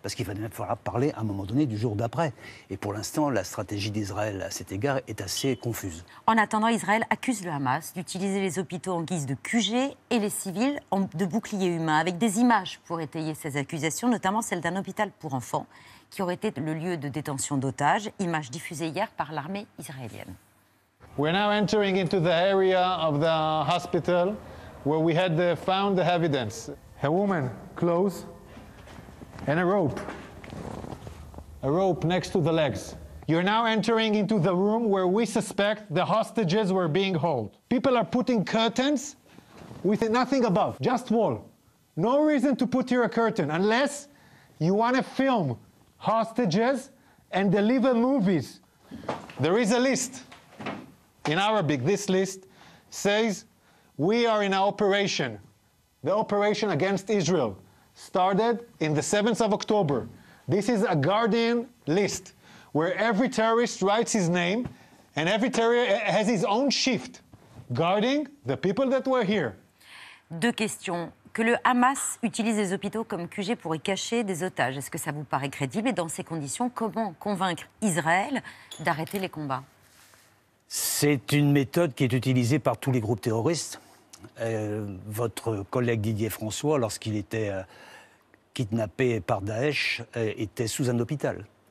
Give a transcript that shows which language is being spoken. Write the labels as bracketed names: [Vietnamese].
[French] Parce qu'il va même falloir parler, à un moment donné, du jour d'après. Et pour l'instant, la stratégie d'Israël, à cet égard, est assez confuse. En attendant, Israël accuse le Hamas d'utiliser les hôpitaux en guise de QG et les civils de boucliers humains, avec des images pour étayer ces accusations, notamment celle d'un hôpital pour enfants qui aurait été le lieu de détention d'otages, images diffusées hier par l'armée israélienne. [English] We're now entering into the area of the hospital where we had found the evidence. A woman, clothes, and a rope next to the legs. You're now entering into the room where we suspect the hostages were being held. People are putting curtains with nothing above, just wall. No reason to put here a curtain unless you want to film hostages and deliver movies. There is a list. In Arabic, this list says, we are in an operation. The operation against Israel started in the 7th of October. This is a guardian list where every terrorist writes his name and every terrorist has his own shift guarding the people that were here. [French] Deux questions. Que le Hamas utilise les hôpitaux comme QG pour y cacher des otages, est-ce que ça vous paraît crédible? Et dans ces conditions, comment convaincre Israël d'arrêter les combats? C'est une méthode qui est utilisée par tous les groupes terroristes. Votre collègue Didier François, lorsqu'il était kidnappé par Daesh, était sous un hôpital.